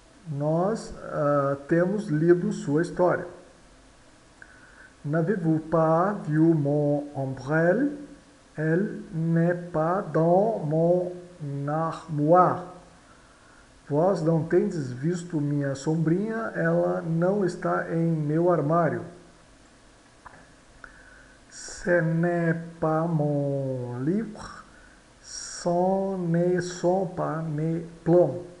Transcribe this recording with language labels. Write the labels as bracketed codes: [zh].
[pt] Nós temos lido sua história. [fr] N'avez-vous pas vu mon ombrelle? Elle n'est pas dans mon armoire. [pt] Vós não tendes visto minha sombrinha? Ela não está em meu armário. [fr] Ce n'est pas mon livre, ce n'est pas mes plans.